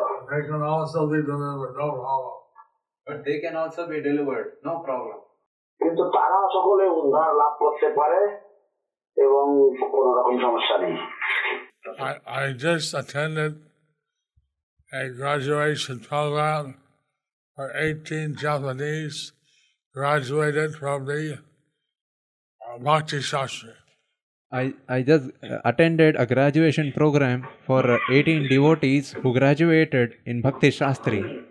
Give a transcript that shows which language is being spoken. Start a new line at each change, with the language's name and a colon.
English: They can also be delivered, no problem. But they can also be delivered, no problem.
Bangla: কিন্তু তারা সকলে উদ্ধার লাভ করতে পারে এবং কোন রকম সমস্যা নেই.
English: I just attended a graduation program for 18 Japanese graduated from the Bhakti Shastri. I just attended a graduation program for 18 devotees who graduated in Bhakti Shastri.